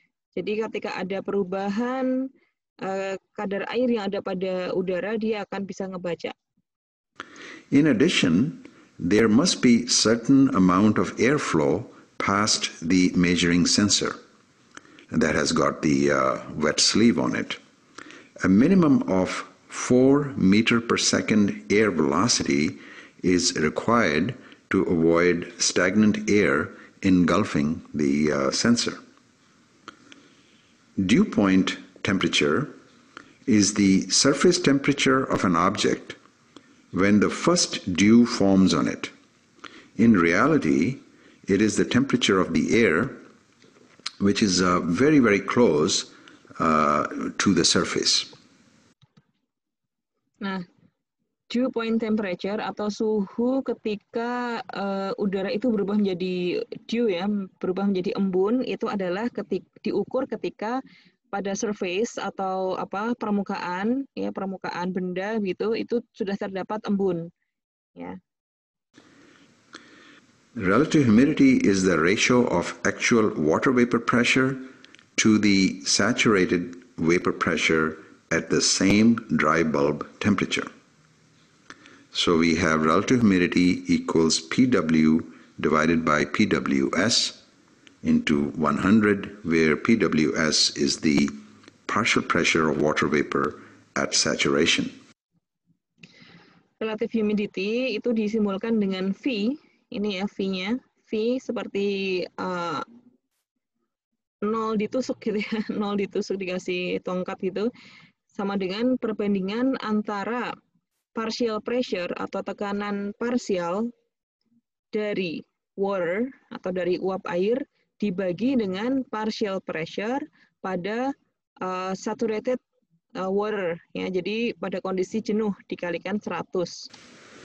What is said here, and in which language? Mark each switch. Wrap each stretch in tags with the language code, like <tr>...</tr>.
<id>Jadi ketika ada perubahan kadar air yang ada pada udara, dia akan bisa ngebaca.</id> <en>In addition, there must be certain amount of airflow past the measuring sensor that has got the wet sleeve on it. A minimum of 4 meters per second air velocity is required to avoid stagnant air engulfing the sensor. Dew point temperature is the surface temperature of an object when the first dew forms on it. In reality, it is the temperature of the air, which is very, very close to the surface.</en> <id>Nah, dew point temperature atau suhu ketika udara itu berubah menjadi dew ya, berubah menjadi embun, itu adalah diukur ketika pada surface atau permukaan benda gitu, itu sudah terdapat embun, ya.</id> <en>Relative humidity is the ratio of actual water vapor pressure to the saturated vapor pressure at the same dry bulb temperature. So we have relative humidity equals PW divided by PWS, into 100, where PWS is the partial pressure of water vapor at saturation.</en> <id>Relative humidity itu disimbolkan dengan V, ini ya V-nya. V seperti nol ditusuk gitu ya, nol ditusuk dikasih tongkat gitu, sama dengan perbandingan antara partial pressure atau tekanan parsial dari water atau dari uap air dibagi dengan partial pressure pada saturated water ya, jadi pada kondisi jenuh dikalikan 100.</id>